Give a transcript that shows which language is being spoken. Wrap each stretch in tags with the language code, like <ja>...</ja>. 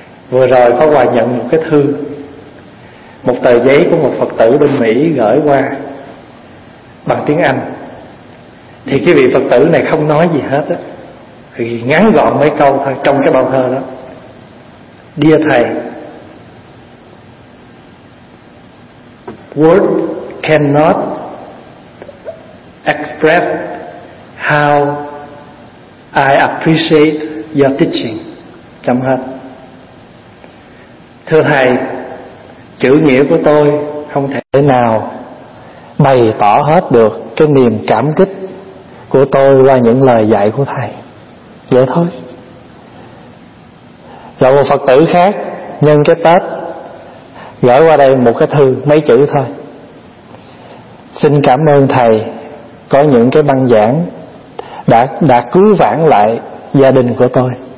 <vi>Vừa rồi có hòa nhận một cái thư, một tờ giấy của một Phật tử bên Mỹ gửi qua bằng tiếng Anh. Thì cái vị Phật tử này không nói gì hết á, thì ngắn gọn mấy câu thôi trong cái bao thơ đó.</vi> <en>Dear Thầy, word cannot express how I appreciate your teaching.</en> <vi>Chấm hết. Thưa Thầy, chữ nghĩa của tôi không thể nào bày tỏ hết được cái niềm cảm kích của tôi qua những lời dạy của Thầy. Vậy thôi. Rồi một Phật tử khác nhân cái Tết gửi qua đây một cái thư mấy chữ thôi: xin cảm ơn Thầy có những cái băng giảng đã cứu vãn lại gia đình của tôi.</vi>